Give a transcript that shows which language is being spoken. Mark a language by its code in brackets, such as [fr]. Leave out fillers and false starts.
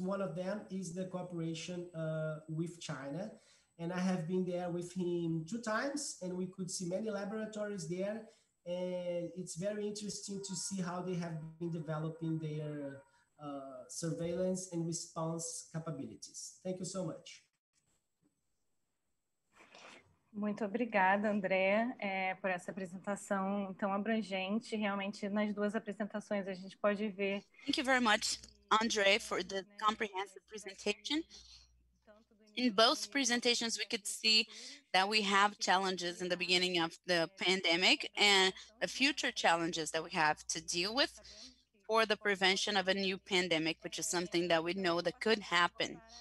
[en] One of them is the cooperation with China. And I have been there with him two times, and we could see many laboratories there. And it's very interesting to see how they have been developing their surveillance and response capabilities. Thank you so much. [pt] Muito obrigada, Andrea, por essa apresentação tão abrangente. Realmente, nas duas apresentações, a gente pode ver. [en] Thank you very much, Andrea, for the comprehensive presentation. In both presentations, we could see that we have challenges in the beginning of the pandemic and the future challenges that we have to deal with for the prevention of a new pandemic, which is something that we know that could happen.